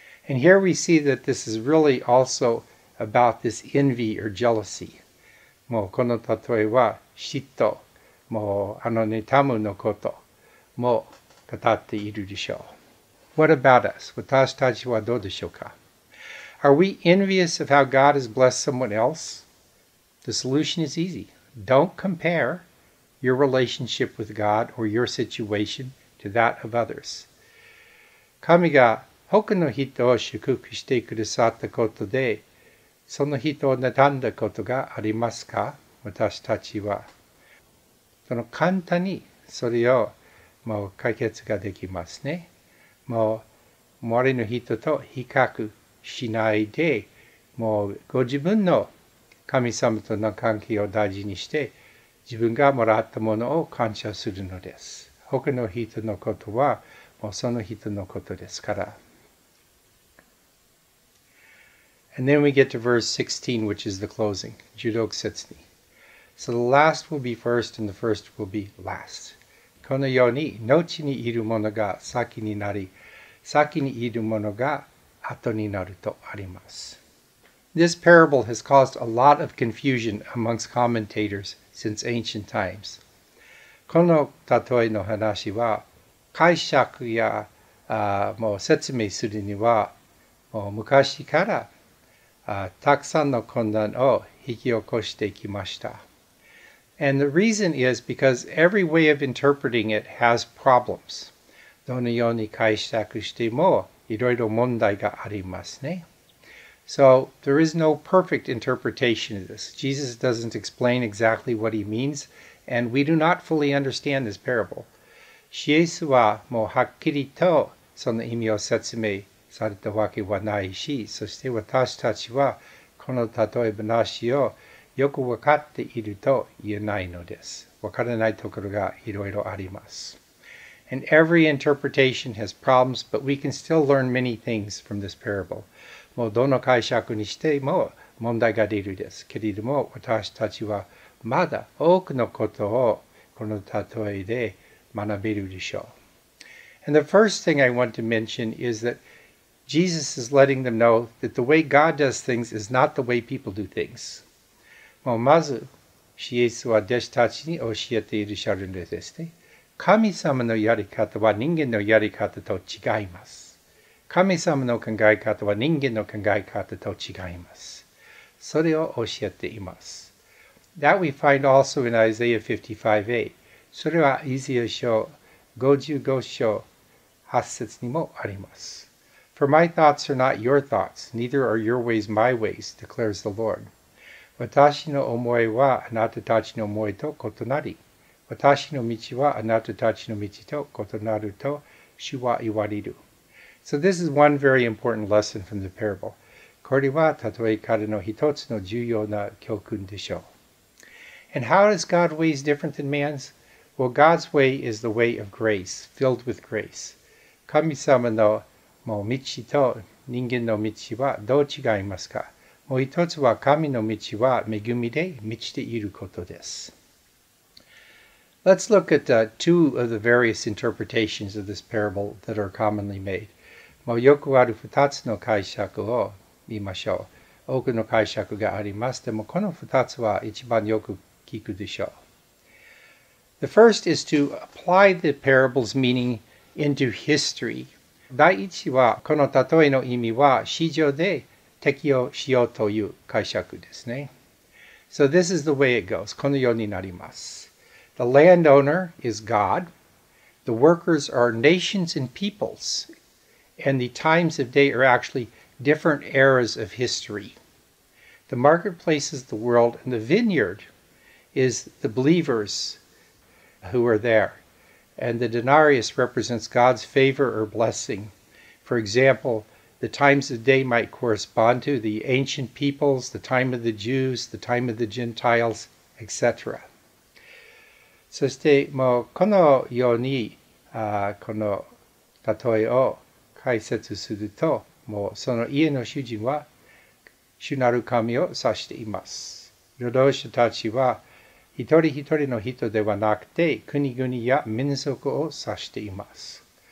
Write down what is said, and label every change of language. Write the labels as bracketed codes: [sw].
[en] And here we see that this is really also about this envy or jealousy. [ja] もうこの例えは嫉妬。もうあの妬むのこともう語っているでしょう。 [en] What about us? [ja] 私たちはどうでしょうか? [en] Are we envious of how God has blessed someone else? The solution is easy. Don't compare your relationship with God or your situation to that of others. [ja] 神が他の人を祝福してくださったことで、その人を妬んだことがありますか? 私たちは。その簡単にそれをもう解決ができますね。もう周りの人と比較しないで、もうご自分の神様との関係を大事にして、自分がもらったものを感謝するのです。他の人のことは、もうその人のことですから。 [en] And then we get to verse 16, which is the closing. [ja] 16節に。 [en] So the last will be first, and the first will be last. [ja] このように、後にいるものが先になり、先にいるものが後になるとあります。 [en] This parable has caused a lot of confusion amongst commentators since ancient times. [ja] この例えの話は、解釈やもう説明するには、もう昔からたくさんの混乱を引き起こしてきました。 [en] And the reason is because every way of interpreting it has problems. [ja] どのように解釈してもいろいろ問題がありますね。 [en] So there is no perfect interpretation of this. Jesus doesn't explain exactly what he means, and we do not fully understand this parable. [ja] イエスはもうはっきりとその意味を説明されたわけはないし、そして私たちはこの例え話をよく分かっていると言えないのです。分からないところがいろいろあります。 [en] And every interpretation has problems, but we can still learn many things from this parable. [ja] もうどの解釈にしても問題が出るです。けれども私たちはまだ多くのことをこの例えで学べるでしょう。 [en] And the first thing I want to mention is that Jesus is letting them know that the way God does things is not the way people do things. [ja] もうまず、イエスは弟子たちに教えていらっしゃるのですね。神様のやり方は人間のやり方と違います。神様の考え方は人間の考え方と違います。それを教えています。 [en] That we find also in Isaiah 55a. [ja] それはイザヤ書55章8節にもあります。 [en] For my thoughts are not your thoughts, neither are your ways my ways, declares the Lord. [ja] 私の思いはあなたたちの思いと異なり、私の道はあなたたちの道と異なると主は言われる。 [en] So this is one very important lesson from the parable. [ja] これは例えからの一つの重要な教訓でしょう。 [en] And how is God's ways different than man's? Well, God's way is the way of grace, filled with grace. [ja] 神様のもう道と人間の道はどう違いますか？もう一つは神の道は恵みで満ちていることです。 [en] Let's look at two of the various interpretations of this parable that are commonly made. [ja] もうよくある二つの解釈を見ましょう。多くの解釈があります。でもこの二つは一番よく聞くでしょう。 [en] The first is to apply the parable's meaning into history. [ja] 第一はこの例えの意味は史上で適用しようという解釈ですね。 [en] So this is the way it goes. [ja] このようになります。 [en] The landowner is God. The workers are nations and peoples. And the times of day are actually different eras of history. The marketplace is the world, and the vineyard is the believers who are there. And the denarius represents God's favor or blessing. For example,The times of day might correspond to the ancient peoples, the time of the Jews, the time of the Gentiles, etc. [ja] そしてもうこのようにこの例えを解説すると、もうその家の主人は主なる神を指しています。労働者たちは一人一人の人ではなくて国々や民族を指しています。